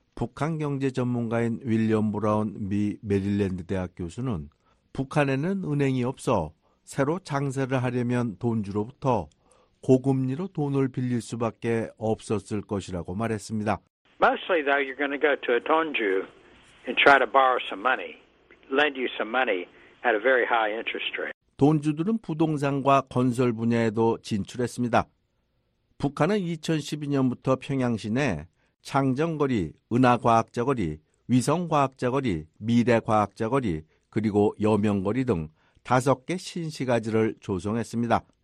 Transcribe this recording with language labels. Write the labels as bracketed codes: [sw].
[ko] 북한 경제 전문가인 윌리엄 브라운 미 메릴랜드 대학 교수는 북한에는 은행이 없어 새로 장사를 하려면 돈주로부터 고금리로 돈을 빌릴 수밖에 없었을 것이라고 말했습니다. [en] Mostly though you're going to go to a donju and try to borrow some money. Lend you some money at a very high interest rate. [ko] 돈주들은 부동산과 건설 분야에도 진출했습니다. 북한은 2012년부터 평양 시내 창정거리, 은하과학자거리, 위성과학자거리, 미래과학자거리, 그리고 여명거리 등 5개 신시가지를 조성했습니다.